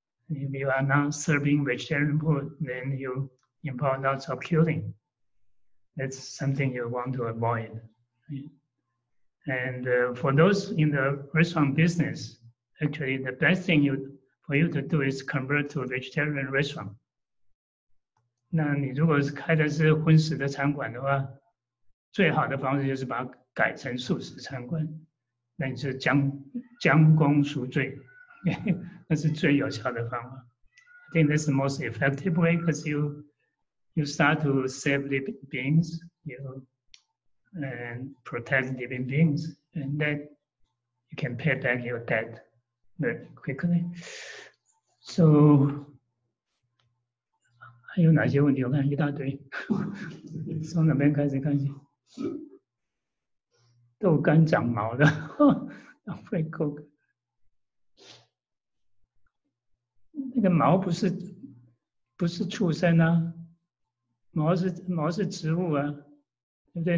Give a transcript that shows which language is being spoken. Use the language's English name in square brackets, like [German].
[English] If you are not serving vegetarian food, then you involve lots of killing. That's something you want to avoid. And for those in the restaurant business, actually the best thing for you to do is convert to a vegetarian restaurant. [Chinese] 那你如果是开的是荤食的餐馆的话，最好的方式就是把它改成素食餐馆，那你就将功赎罪，那是最有效的方法。 [English] I think that's the most effective way because you start to save living beings, and protect living beings, and then you can pay back your debt very quickly. [Chinese] So, 还有哪些问题？我看一大堆，从哪边开始看起？豆干长毛的，会够。那个毛不是畜生啊，毛是植物啊，对不对？